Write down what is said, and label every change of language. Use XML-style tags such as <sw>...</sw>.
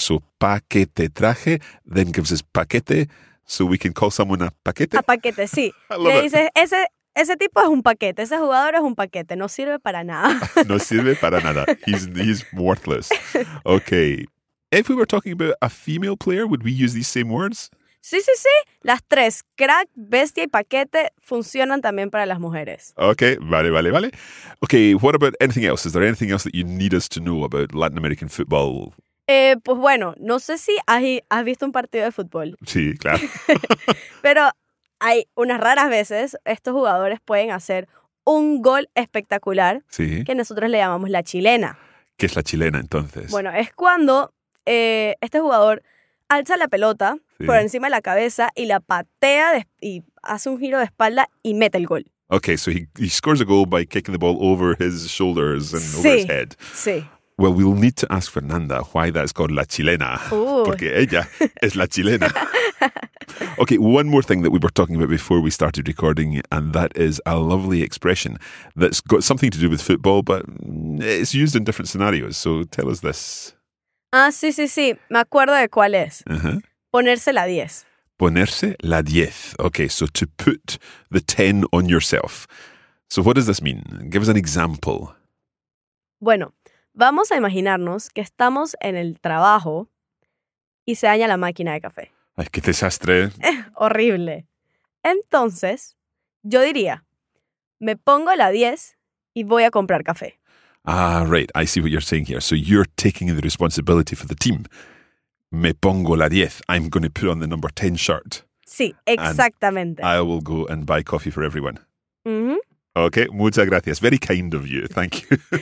<en>So</en> <es>pa qué te traje</es> <en>then gives us paquete, so we can call someone a paquete.</en> <es>A paquete, sí.</es> <en>I love</en> <es>it. Dices, ese tipo es un paquete. Ese jugador es un paquete. No sirve para nada. No sirve para nada.</es> <en>He's worthless.</en> <es>Okay.</es> <en>If we were talking about a female player, would we use these same words?</en> <es>Sí, sí, sí. Las tres, crack, bestia y paquete, funcionan también para las mujeres.</es> <en>Okay,</en> <es>vale, vale, vale.</es> <en>Okay, what about anything else? Is there anything else that you need us to know about Latin American football?</en> <es>Pues bueno, no sé si has visto un partido de fútbol. Sí, claro. Pero hay unas raras veces estos jugadores pueden hacer un gol espectacular sí. que nosotros le llamamos la chilena. ¿Qué es la chilena entonces? Bueno, es cuando este jugador alza la pelota sí. por encima de la cabeza y la patea y hace un giro de espalda y mete el gol.</es> <en>Okay, so he scores a goal by kicking the ball over his shoulders and</en> <es>sí.</es> <en>over his head.</en> <es>Sí.</es> <en>Well, we'll need to ask Fernanda why that's called la chilena. Ooh.</en> <es>Porque ella es la chilena.</es> <en>Okay, one more thing that we were talking about before we started recording, and that is a lovely expression that's got something to do with football, but it's used in different scenarios. So tell us this.</en> <es>Ah, sí, sí, sí. Me acuerdo de cuál es. Uh-huh. Ponerse la 10. Ponerse la 10.</es> <en>Okay, so to put the 10 on yourself. So what does this mean? Give us an example.</en> <es>Bueno, vamos a imaginarnos que estamos en el trabajo y se daña la máquina de café. ¡Ay, qué desastre! ¡Horrible! Entonces, yo diría, me pongo la 10 y voy a comprar café.</es> <en>Ah, right. I see what you're saying here. So you're taking the responsibility for the team.</en> <es>Me pongo la 10.</es> <en>I'm going to put on the number 10 shirt.</en> <es>Sí, exactamente.</es> <en>I will go and buy coffee for everyone. Mm-hmm. Okay,</en> <es>muchas gracias.</es> <en>Very kind of you. Thank you.</en>